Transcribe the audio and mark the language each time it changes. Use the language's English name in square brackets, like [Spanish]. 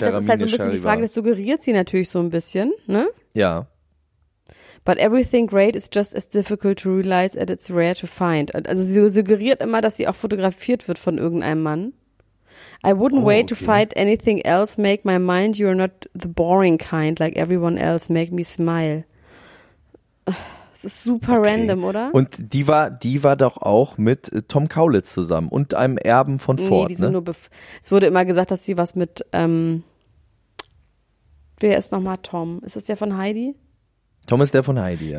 [German] Naja, das ist halt so ein bisschen die Frage, das suggeriert sie natürlich so ein bisschen, ne? Ja. [English] But everything great is just as difficult to realize and it's rare to find. [German] Also sie suggeriert immer, dass sie auch fotografiert wird von irgendeinem Mann. [English] I wouldn't wait to fight anything else, make my mind, you're not the boring kind like everyone else, make me smile. [German] Das ist super random, oder? Und die war doch auch mit Tom Kaulitz zusammen und einem Erben von Ford, nee, die sind ne? Nur es wurde immer gesagt, dass sie was mit, wer ist nochmal Tom? Ist das der von Heidi? Tom ist der von Heidi, ja.